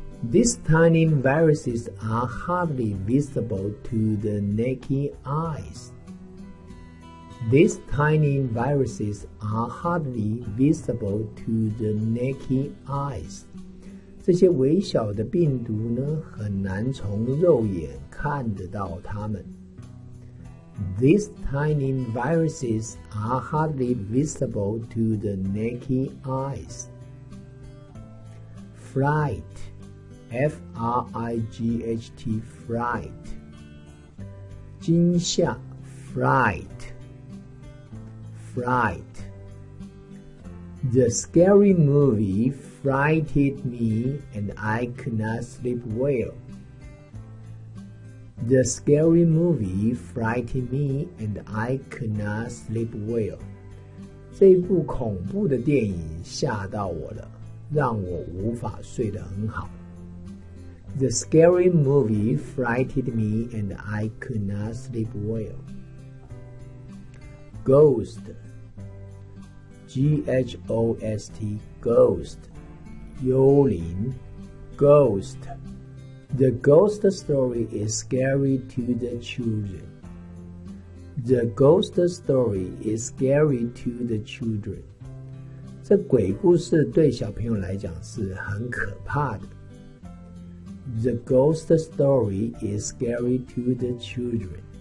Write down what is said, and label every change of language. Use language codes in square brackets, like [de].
[en] These tiny viruses are hardly visible to the naked eyes. These tiny viruses are hardly visible to the naked eyes. [zh] 这些微小的病毒呢，很难从肉眼看得到它们。 [en] These tiny viruses are hardly visible to the naked eyes. Fright, F-R-I-G-H-T, fright. [zh] 惊吓 [en] fright, fright. The scary movie frighted me and I could not sleep well. The scary movie frightened me and I could not sleep well. [zh] 这部恐怖的电影吓到我了，让我无法睡得很好。 [en] The scary movie frightened me and I could not sleep well. Ghost, G-H-O-S-T, ghost, [zh] 幽灵 [en] ghost. The ghost story is scary to the children. The ghost story is scary to the children. [zh] 这鬼故事对小朋友来讲是很可怕的。 [en] The ghost story is scary to the children.